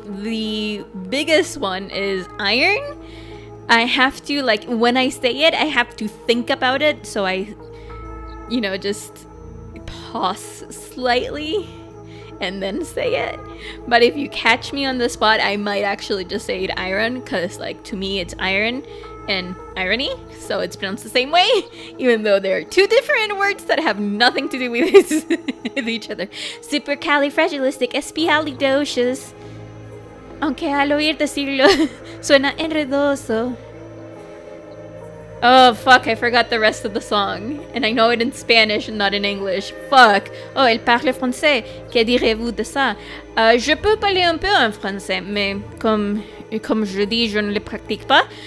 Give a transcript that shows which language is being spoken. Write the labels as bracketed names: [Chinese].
[English] The biggest one is iron. I have to, like, when I say it, I have to think about it, so I, you know, just pause slightly and then say it. But if you catch me on the spot, I might actually just say it iron, because, like, to me it's iron and irony, so it's pronounced the same way, even though there are two different words that have nothing to do with, with each other. Supercalifragilisticexpialidocious. [Spanish] Aunque al oír decirlo suena enredoso. [English] Oh, fuck, I forgot the rest of the song. And I know it in Spanish and not in English. [French] Fuck. Oh, elle parle français. Que direz-vous de ça? Je peux parler un peu en français, mais comme je dis, je ne le pratique pas.